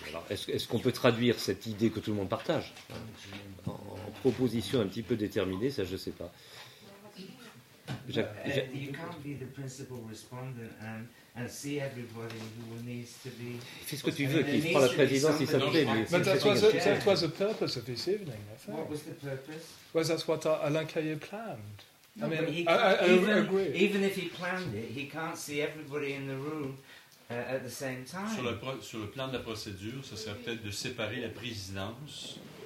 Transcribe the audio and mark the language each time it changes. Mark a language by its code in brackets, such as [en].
[fr] Est-ce qu'on peut traduire cette idée que tout le monde partage en proposition un petit peu déterminée? Ça, je ne sais pas. Fais ce que tu veux, qu'il prend la présidence, il s'appelait. [en] Mais that was the purpose of this evening, I think. What was the purpose? Well, that's what Alain Cayet planned. Even if he planned it, he can't see everybody in the room at the same time. [fr] Sur le plan de la procédure, ça serait peut-être de séparer la présidence.